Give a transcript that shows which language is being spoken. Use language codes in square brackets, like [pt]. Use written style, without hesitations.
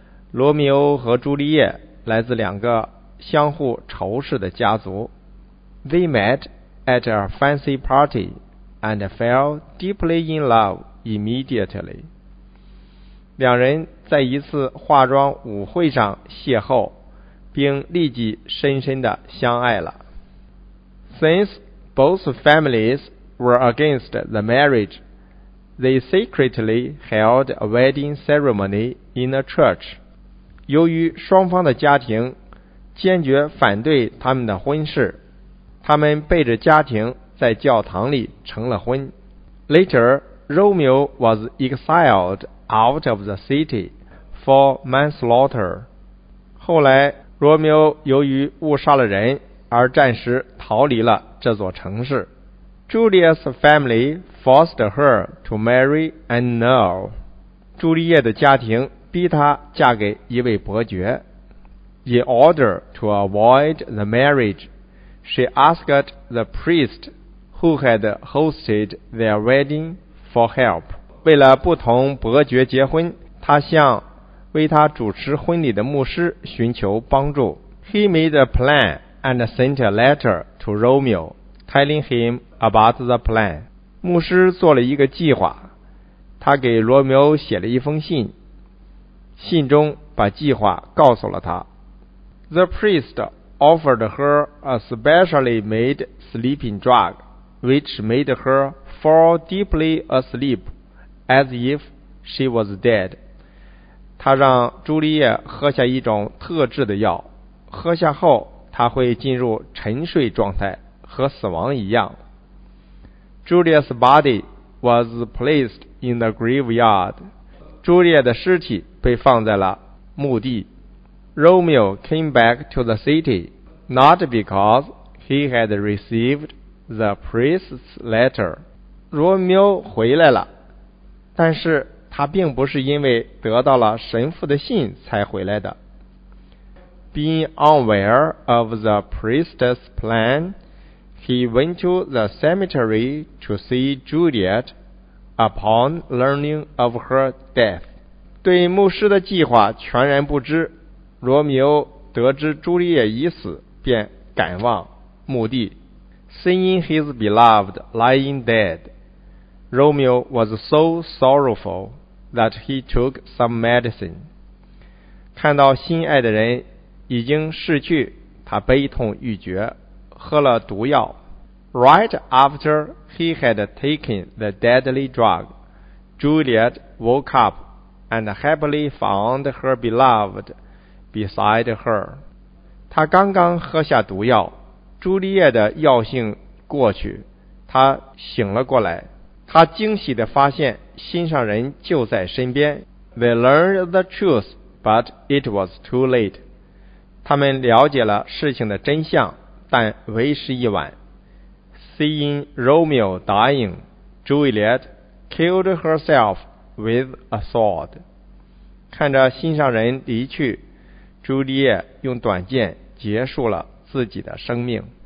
[zh] 罗密欧和朱丽叶来自两个相互仇视的家族。 [en] They met at a fancy party and fell deeply in love immediately. [zh] 两人在一次化妆舞会上邂逅，并立即深深地相爱了。 [en] Since both families were against the marriage. They secretly held a wedding ceremony in a church. [zh] 由于双方的家庭坚决反对他们的婚事，他们背着家庭在教堂里成了婚。 [en] Later, Romeo was exiled out of the city for manslaughter. [zh] 后来，罗密欧由于误杀了人而暂时逃离了这座城市。 [en] Julia's family forced her to marry an earl. [zh] 朱丽叶的家庭逼她嫁给一位伯爵。 [en] In order to avoid the marriage, she asked the priest who had hosted their wedding for help. [zh] 为了不同伯爵结婚，她向为她主持婚礼的牧师寻求帮助。 [en] He made a plan and sent a letter to Romeo. Telling him about the plan. [zh] 牧师做了一个计划，他给罗密欧写了一封信，信中把计划告诉了他。 [en] The priest offered her a specially made sleeping drug, which made her fall deeply asleep as if she was dead. [zh] 他让朱丽叶喝下一种特制的药，喝下后她会进入沉睡状态。和死亡一样 [en] Julia's body was placed in the graveyard [zh] 朱丽叶的尸体被放在了墓地 [en] Romeo came back to the city not because he had received the priest's letter [zh] 罗密欧回来了但是他并不是因为得到了神父的信才回来的 [en] Being unaware of the priest's planHe went to the cemetery to see Juliet upon learning of her death. [zh] 对牧师的计划全然不知，罗密欧得知朱丽叶已死，便赶往墓地。 [en] Seeing his beloved lying dead, Romeo was so sorrowful that he took some medicine. [zh] 看到心爱的人已经逝去，他悲痛欲绝，喝了毒药。 [en] Right after he had taken the deadly drug, Juliet woke up and happily found her beloved beside her. [zh] 她刚刚喝下毒药，朱丽叶的药性过去，她醒了过来。她惊喜地发现心上人就在身边。 [en] They learned the truth, but it was too late. [zh] 他们了解了事情的真相，但为时已晚。 [en] Seeing Romeo dying, Juliet killed herself with a sword. [zh] 看着心上人离去，朱丽叶用短剑结束了自己的生命。